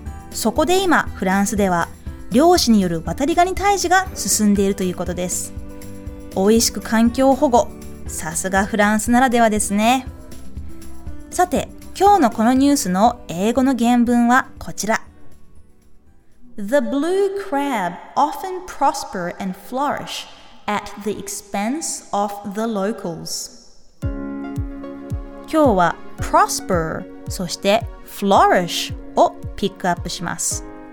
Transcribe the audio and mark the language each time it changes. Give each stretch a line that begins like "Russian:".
Japanese: そこで今フランスでは漁師による渡りガニ退治が進んでいるということです。おいしく環境保護、さすがフランスならではですね。さて今日のこのニュースの英語の原文はこちら。
English: The blue crab often prosper and flourish at the expense of the locals.
Japanese: 今日は prosper そして flourish をピックアップします。